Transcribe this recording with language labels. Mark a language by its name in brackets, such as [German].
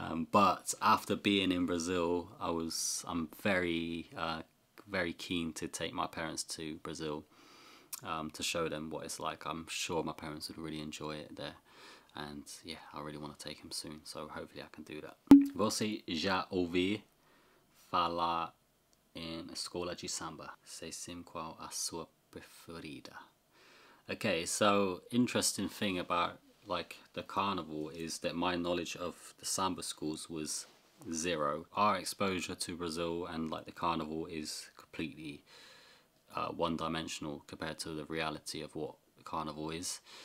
[English] But after being in Brazil, I'm very, very keen to take my parents to Brazil to show them what it's like. I'm sure my parents would really enjoy it there. And yeah, I really want to take him soon, so hopefully I can do that. [Portuguese] Você já ouviu falar em escola de samba? Sei sim qual a sua preferida. [English] Okay, so interesting thing about like the carnival is that my knowledge of the samba schools was zero. Our exposure to Brazil and like the carnival is completely one-dimensional compared to the reality of what the carnival is.